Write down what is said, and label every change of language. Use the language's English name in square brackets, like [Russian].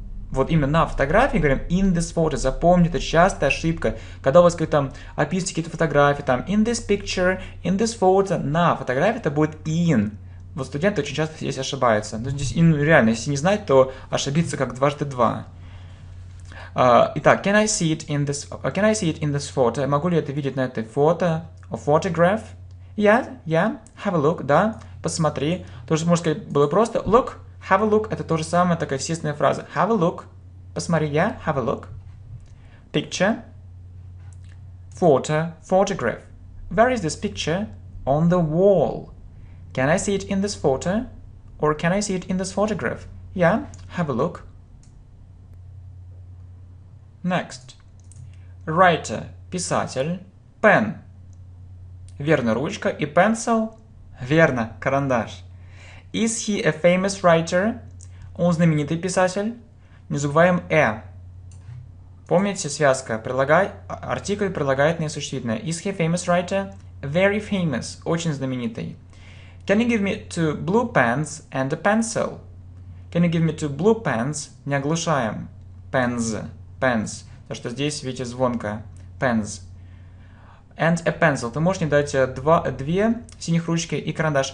[Russian] Вот именно на фотографии говорим [English] in this photo. [Russian] Запомните, это частая ошибка. Когда у вас какие-то там описываете какие-то фотографии, там [English] in this picture, in this photo, [Russian] на фотографии это будет in. Вот студенты очень часто здесь ошибаются. Но здесь in реально, если не знать, то ошибиться как дважды два. Итак, [English] can I see it in this can I see it in this photo? [Russian] Могу ли я это видеть на этой фото? [English] A photograph? Yeah, yeah, have a look, [Russian] да, посмотри. То же можно сказать было просто look. [English] Have a look [Russian] – это то же самое, такая естественная фраза. Have a look – посмотри, я, [English] yeah, have a look. Picture – photo – photograph. Where is this picture? On the wall. Can I see it in this photo? Or can I see it in this photograph? Yeah, have a look. Next. Writer [Russian] – писатель. [English] Pen [Russian] – верно, ручка. И [English] pencil – [Russian] верно, карандаш. [English] Is he a famous writer? [Russian] Он знаменитый писатель. Не забываем «э». Помните связка? Артикль прилагает несуществительное. [English] Is he a famous writer? Very famous. [Russian] Очень знаменитый. [English] Can you give me two blue pens and a pencil? Can you give me two blue pens? [Russian] Не оглушаем. [English] Pens. Pens. [Russian] Потому что здесь, видите, звонко. [English] Pens. And a pencil. [Russian] Ты можешь мне дать две синих ручки и карандаш?